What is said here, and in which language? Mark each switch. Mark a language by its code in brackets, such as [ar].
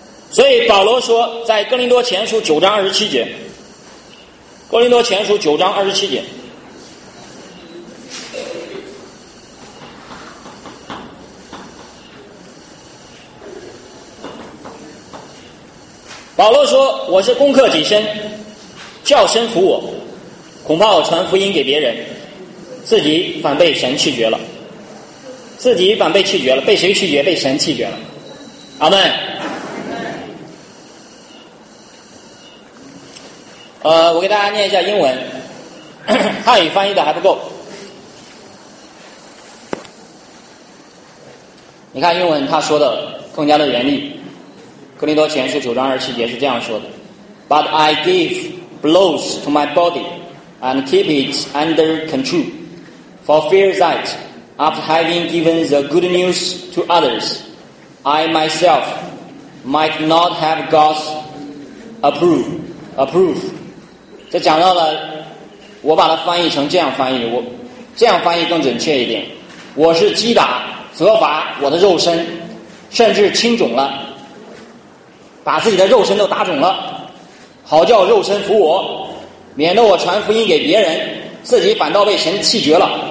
[zh] 所以保罗说，在哥林多前书九章二十七节，哥林多前书九章二十七节，保罗说，我是攻克己身，叫身服我，恐怕我传福音给别人，自己反被神弃绝了。自己反被弃绝了，被谁弃绝？被神弃绝了。阿们。我给大家念一下英文，汉语翻译的还不够。你看英文他说的更加的严厉，哥林多前书九章二十七节是这样说的， [en] But I give blows to my body and keep it under control, for fear that after having given the good news to others, I myself might not have God's approve. [zh] 这讲到了，我把它翻译成这样翻译，我这样翻译更准确一点，我是击打责罚我的肉身，甚至青肿了，把自己的肉身都打肿了，好叫肉身服我，免得我传福音给别人，自己反倒被神弃绝了。